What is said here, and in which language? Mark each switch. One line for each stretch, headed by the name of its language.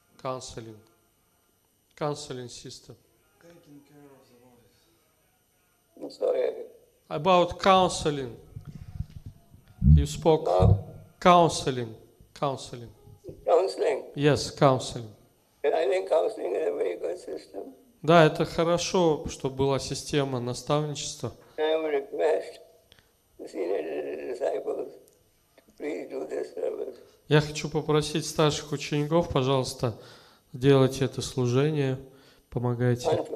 English: Counseling system. Taking care of the bodies. I'm sorry. About counseling. You spoke counseling. Counseling? Yes, counseling. And I think counseling is a very good system.
Russian: Да, это хорошо, что была система наставничества.
English: I would request the senior disciples to please do this service.
Russian: Я хочу попросить старших учеников, пожалуйста, делайте это служение, помогайте.